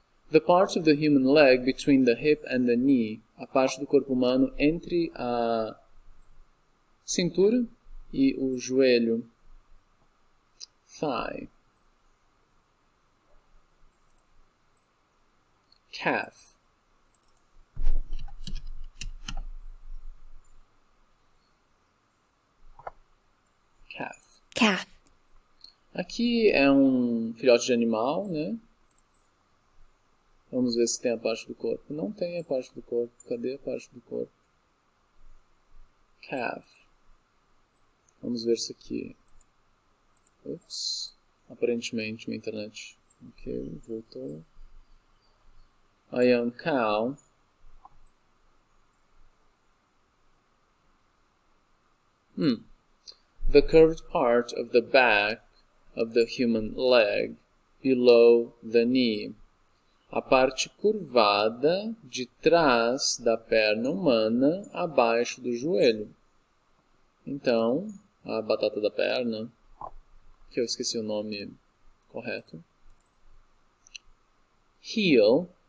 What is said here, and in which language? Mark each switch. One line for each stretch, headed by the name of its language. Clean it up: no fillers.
English: The part of the human leg between the hip and the knee.
Portuguese: A parte do corpo humano entre a cintura e o joelho.
English: Thigh. Calf. Calf. Calf.
Portuguese: Aqui é um filhote de animal, né? Vamos ver se tem a parte do corpo. Não tem a parte do corpo. Cadê a parte do corpo? Calf. Vamos ver isso aqui. Ups. Aparentemente, minha internet. Ok, voltou.
English: I am cow. The curved part of the back of the human leg below the knee.
Portuguese: A parte curvada de trás da perna humana abaixo do joelho. Então, a batata da perna, que eu esqueci o nome correto.
English: Heel.